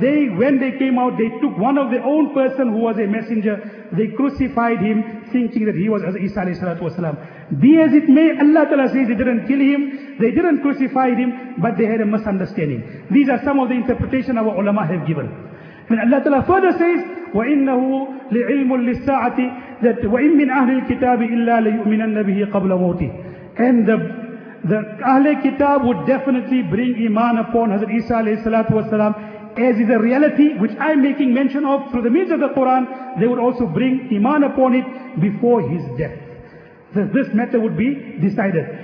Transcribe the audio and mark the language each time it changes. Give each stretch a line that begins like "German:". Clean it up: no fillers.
English: They, when they came out, they took one of their own person who was a messenger, they crucified him thinking that he was Isa alayhi salatu wasalam. Be as it may, Allah Ta'ala says they didn't kill him, they didn't crucify him, but they had a misunderstanding. These are some of the interpretation our ulama have given. And Allah Ta'ala further says,
Arabic: وَإِنَّهُ لِعِلْمٌ لِلسَّاعَةِ, that وَإِن مِّنْ أَهْلِ الْكِتَابِ إِلَّا لَيُؤْمِنَنَّ بِهِ قَبْلَ مَوْتِهِ.
English: And the Ahle Kitab would definitely bring Iman upon Hazrat Isa alayhi salatu wasalam, as is a reality which I am making mention of through the means of the Quran. They would also bring Iman upon it before his death. So this matter would be decided.